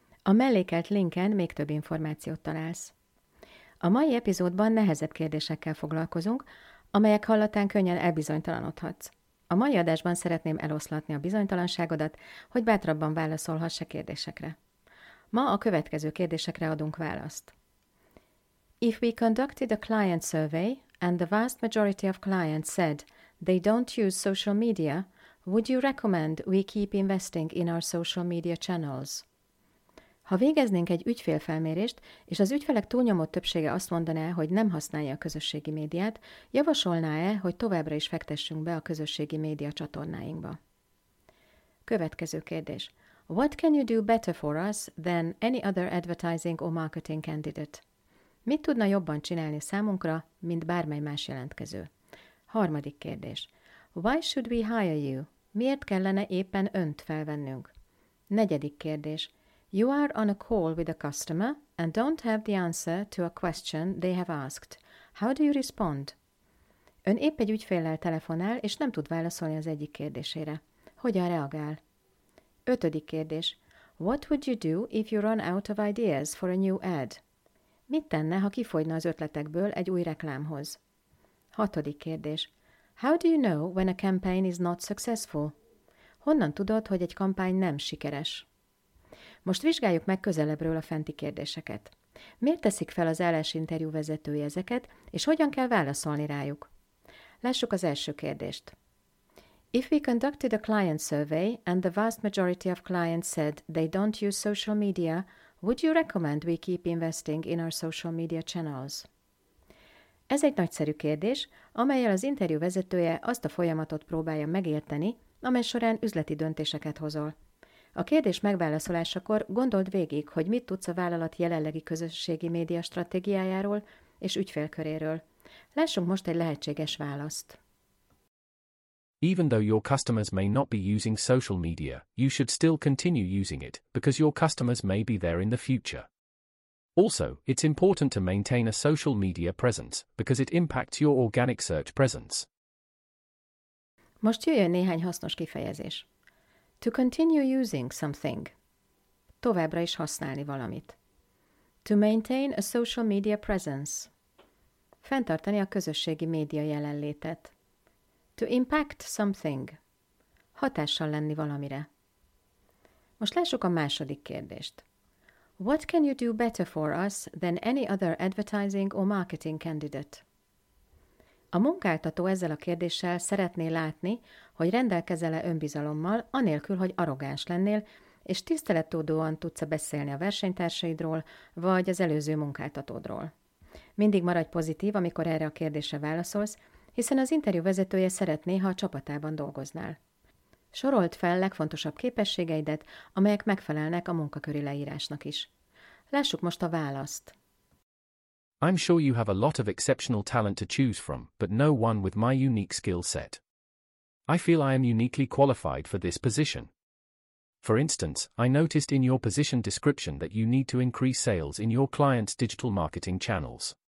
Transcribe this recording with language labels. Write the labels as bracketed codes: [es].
[hu] A mellékelt linken még több információt találsz. A mai epizódban nehezebb kérdésekkel foglalkozunk, amelyek hallatán könnyen elbizonytalanodhatsz. A mai adásban szeretném eloszlatni a bizonytalanságodat, hogy bátrabban válaszolhass a kérdésekre. Ma a következő kérdésekre adunk választ. [en] If we conducted a client survey and the vast majority of clients said they don't use social media, would you recommend we keep investing in our social media channels? [hu] Ha végeznénk egy ügyfélfelmérést, és az ügyfelek túlnyomó többsége azt mondaná, hogy nem használja a közösségi médiát, javasolná-e, hogy továbbra is fektessünk be a közösségi média csatornáinkba? Következő kérdés. [en] What can you do better for us than any other advertising or marketing candidate? [hu] Mit tudna jobban csinálni számunkra, mint bármely más jelentkező? Harmadik kérdés. [en] Why should we hire you? [hu] Miért kellene éppen önt felvennünk? Negyedik kérdés. [en] You are on a call with a customer and don't have the answer to a question they have asked. How do you respond? [hu] Ön épp egy ügyféllel telefonál, és nem tud válaszolni az egyik kérdésére. Hogyan reagál? Ötödik kérdés. [en] What would you do if you run out of ideas for a new ad? [hu] Mit tenne, ha kifogyna az ötletekből egy új reklámhoz? Hatodik kérdés. [en] How do you know when a campaign is not successful? [hu] Honnan tudod, hogy egy kampány nem sikeres? Most vizsgáljuk meg közelebbről a fenti kérdéseket. Miért teszik fel az állásinterjú vezetői ezeket, és hogyan kell válaszolni rájuk? Lássuk az első kérdést. [en] If we conducted a client survey and the vast majority of clients said they don't use social media, would you recommend we keep investing in our social media channels? [hu] Ez egy nagyszerű kérdés, amellyel az interjú vezetője azt a folyamatot próbálja megérteni, amely során üzleti döntéseket hozol. A kérdés megválaszolásakor gondold végig, hogy mit tudsz a vállalat jelenlegi közösségi média stratégiájáról és ügyfélköréről. Lássunk most egy lehetséges választ. [en] Even though your customers may not be using social media, you should still continue using it, because your customers may be there in the future. Also, it's important to maintain a social media presence, because it impacts your organic search presence. [hu] Most jöjjön néhány hasznos kifejezés. [en] To continue using something. [hu] Továbbra is használni valamit. [en] To maintain a social media presence. [hu] Fenntartani a közösségi média jelenlétet. [en] To impact something. [hu] Hatással lenni valamire. Most lássuk a második kérdést. [en] What can you do better for us than any other advertising or marketing candidate? [hu] A munkáltató ezzel a kérdéssel szeretné látni, hogy rendelkezel-e önbizalommal, anélkül, hogy arrogáns lennél, és tisztelettudóan tudsz beszélni a versenytársaidról, vagy az előző munkáltatódról. Mindig maradj pozitív, amikor erre a kérdésre válaszolsz, hiszen az interjú vezetője szeretné, ha a csapatában dolgoznál. Sorold fel legfontosabb képességeidet, amelyek megfelelnek a munkaköri leírásnak is. Lássuk most a választ. [en] I'm sure you have a lot of exceptional talent to choose from, but no one with my unique skill set. I feel I am uniquely qualified for this position. For instance, I noticed in your position description that you need to increase sales in your clients' digital marketing channels.